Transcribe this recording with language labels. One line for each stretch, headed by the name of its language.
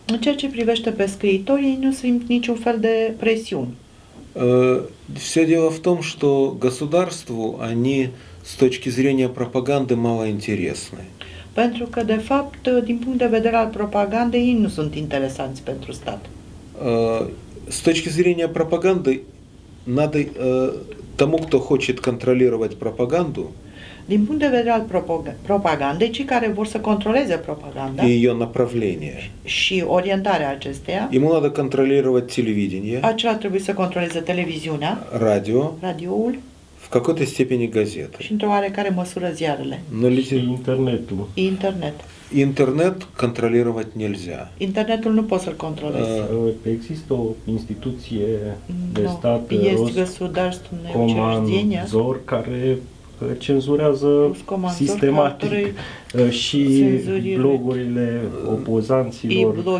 Romanian: În ceea ce privește pe scriitori, ei nu simt niciun fel de presiune.
Russian: Все дело в том, что государству они с точки зрения пропаганды мало интересны.
Romanian: Pentru că, de fapt, din punct de vedere al propagandei, ei nu sunt interesanți pentru stat.
Russian: с точки зрения пропаганды, надо тому, кто хочет контролировать пропаганду,
Romanian: din punct de vedere al propagandei, cei care vor să controleze propaganda
Russian: и ее направление,
Romanian: și orientarea acesteia,
Russian: ему надо контролировать телевидение,
Romanian: acela trebuie să controleze televiziunea, radio, radioul,
Russian: в какой-то степени газеты,
Romanian: și într-o oarecare măsură ziarele, și internetul. Internet.
Russian: Интернет контролировать нельзя.
Romanian: Интернетul nu poți să-l controlezi. Există o instituție de stat, Roskomnadzor, care cenzurează sistematic și blogurile opozanților,